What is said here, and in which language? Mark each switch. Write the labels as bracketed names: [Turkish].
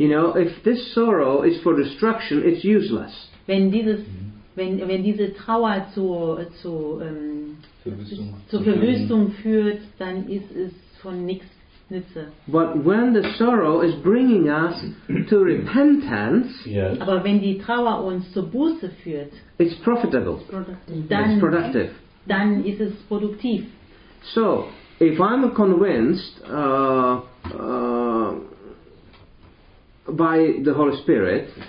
[English] You know, if this sorrow is for destruction, it's useless. [German] Wenn diese Trauer zur Verwüstung führt, dann ist es von nichts Nütze. [English] But when the sorrow is bringing us to repentance, yes. [German] Aber wenn die Trauer uns zur Buße führt, [English] it's profitable. It's productive. [German] Dann ist es produktiv. [English] So, if I'm convinced by the Holy Spirit.